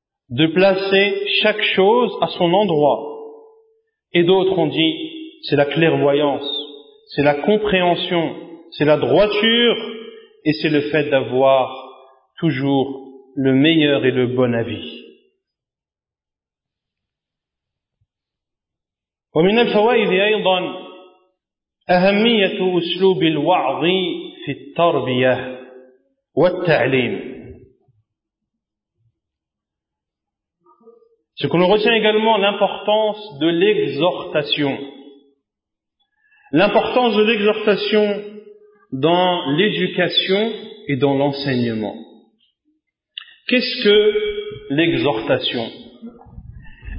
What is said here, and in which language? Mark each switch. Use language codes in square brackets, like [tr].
[fr] De placer chaque chose à son endroit. Et d'autres ont dit, c'est la clairvoyance, c'est la compréhension, c'est la droiture, et c'est le fait d'avoir toujours le meilleur et le bon avis. [ar] ومن الفوائد أيضا أهمية أسلوب الوعظ في التربية والتعليم. [fr] Ce que l'on retient également, l'importance de l'exhortation. L'importance de l'exhortation dans l'éducation et dans l'enseignement. Qu'est-ce que l'exhortation ?